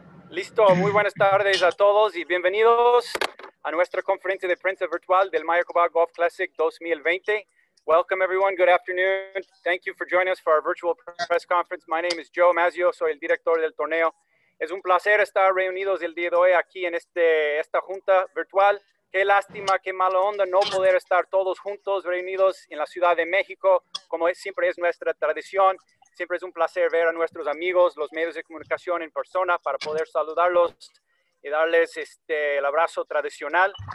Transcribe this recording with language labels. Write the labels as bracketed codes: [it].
[es] Listo, muy buenas tardes a todos y bienvenidos a nuestra conferencia de prensa virtual del Mayakoba Golf Classic 2020. [en] Welcome everyone, good afternoon. Thank you for joining us for our virtual press conference. My name is Joe Mazzio, [es] soy el director del torneo. Es un placer estar reunidos el día de hoy aquí en esta junta virtual. Qué lástima, qué mala onda no poder estar todos juntos reunidos en la Ciudad de México, como siempre es nuestra tradición. Siempre es un placer ver a nuestros amigos, los medios de comunicación en persona para poder saludarlos y darles el abrazo tradicional.